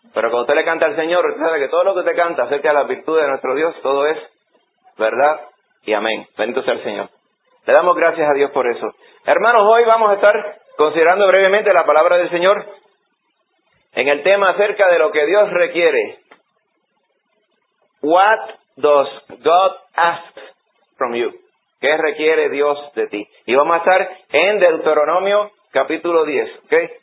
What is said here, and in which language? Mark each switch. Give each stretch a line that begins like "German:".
Spanish: Pero cuando usted le canta al Señor, usted sabe que todo lo que usted canta acerca de la virtud de nuestro Dios, todo es verdad y amén. Bendito sea el Señor. Le damos gracias a Dios por eso. Hermanos, hoy vamos a estar considerando brevemente la palabra del Señor en el tema acerca de lo que Dios requiere.
English: What does God ask from you?
Spanish: ¿Qué requiere Dios de ti? Y vamos a estar en Deuteronomio capítulo 10, ¿ok?